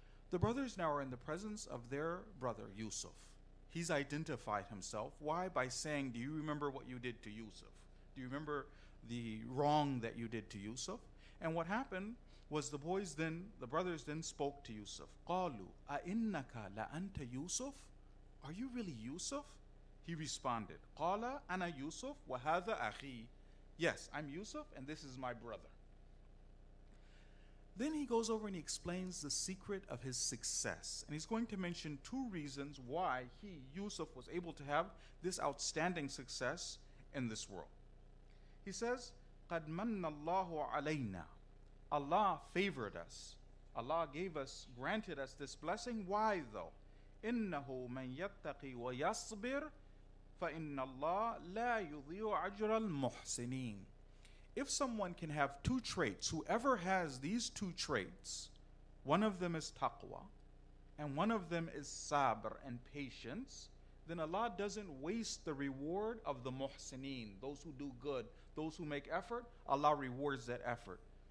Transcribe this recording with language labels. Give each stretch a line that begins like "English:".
English: The brothers now are in the presence of their brother Yusuf. He's identified himself. Why? By saying, do you remember what you did to Yusuf? Do you remember the wrong that you did to Yusuf? And what happened was the brothers then spoke to Yusuf.
Arabic: قَالُوا أَإِنَّكَ لَأَنْتَ يُوسُف.
English: Are you really Yusuf? He responded,
Arabic: قَالَ أَنَا يُوسُف وَهَذَا أَخِي.
English: Yes, I'm Yusuf and this is my brother. Then he goes over and he explains the secret of his success. And he's going to mention two reasons why he, Yusuf, was able to have this outstanding success in this world. He says,
Arabic: قَدْ مَنَّ اللَّهُ عَلَيْنَا.
English: Allah favored us. Allah granted us this blessing. Why though?
Arabic: إِنَّهُ مَنْ يَتَّقِي وَيَصْبِرْ فَإِنَّ اللَّهَ لَا يُضِيعُ أَجْرَ الْمُحْسِنِينَ.
English: If someone can have two traits, whoever has these two traits, one of them is taqwa, and one of them is sabr and patience, then Allah doesn't waste the reward of the muhsineen, those who do good, those who make effort, Allah rewards that effort.